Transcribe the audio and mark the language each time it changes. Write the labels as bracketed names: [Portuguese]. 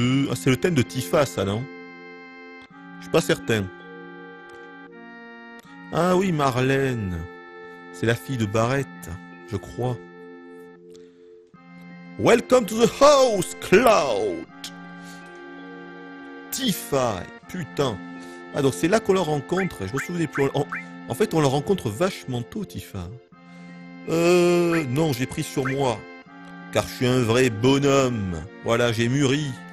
[French] Ah, c'est le thème de Tifa, ça, non? Je suis pas certain. Ah oui, Marlène. C'est la fille de Barrett, je crois. [English] Welcome to the house, Cloud! [French] Tifa, putain. Ah, donc c'est là qu'on la rencontre. Je me souvenais plus. En fait, on la rencontre vachement tôt, Tifa. Non, j'ai pris sur moi. Car je suis un vrai bonhomme. Voilà, j'ai mûri.